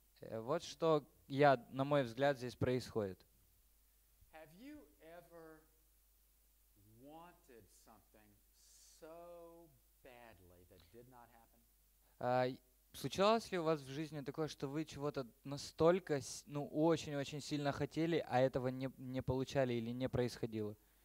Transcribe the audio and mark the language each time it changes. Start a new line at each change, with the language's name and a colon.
Russian: Вот что, я, на мой взгляд, здесь происходит.
English: Have you ever wanted something so badly that did not happen?
Russian: Случалось ли у вас в жизни такое, что вы чего-то настолько, ну, очень-очень сильно хотели, а этого не получали или не происходило?